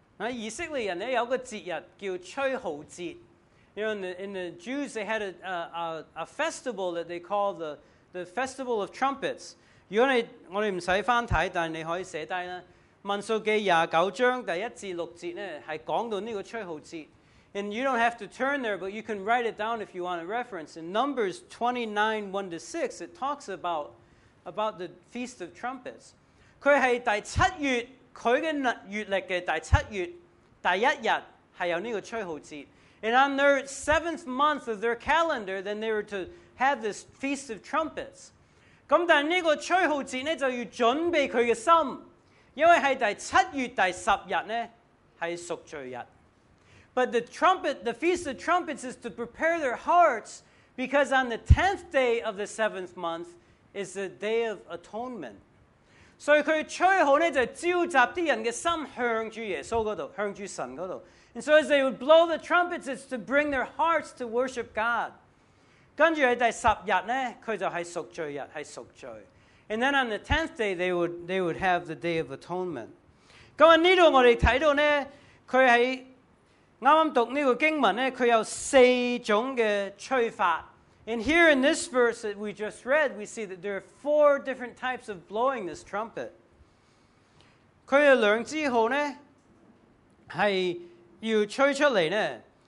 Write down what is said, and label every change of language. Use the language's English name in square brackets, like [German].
[Cantonese] 以色列人有个节日叫吹号节。 [English] You know, in the Jews, they had a festival that they called the Festival of Trumpets. [Cantonese] 如果我哋唔使翻睇，但你可以写低啦。民数记廿九章第一至六节咧，系讲到呢个吹号节。 [English] And you don't have to turn there, but you can write it down if you want a reference. In Numbers 29:1-6, it talks about the Feast of Trumpets. [Cantonese] 佢系第七月。佢嘅月历嘅第七月第一日系有呢个吹号节 ， [English] and on their seventh month of their calendar, then they were to have this feast of trumpets. [Cantonese] 咁但系呢个吹号节咧就要准备佢嘅心，因为系第七月第十日咧系赎罪日。 [English] But the feast of trumpets is to prepare their hearts because on the tenth day of the seventh month is the day of atonement. [Cantonese] 所以佢吹号咧就召集啲人嘅心向住耶稣嗰度，向住神嗰度。 [English] And so as they would blow the trumpets, it's to bring their hearts to worship God. [Cantonese] 跟住喺第十日呢，佢就係贖罪日，係贖罪。 [English] And then on the 10th day, they would have the Day of Atonement. [Cantonese] 咁呢度我哋睇到呢，佢喺啱啱讀呢個經文呢，佢有四種嘅吹法。 [English] And here in this verse that we just read, we see that there are four different types of blowing this trumpet. [Cantonese] 佢有兩支號呢，係要吹出嚟呢。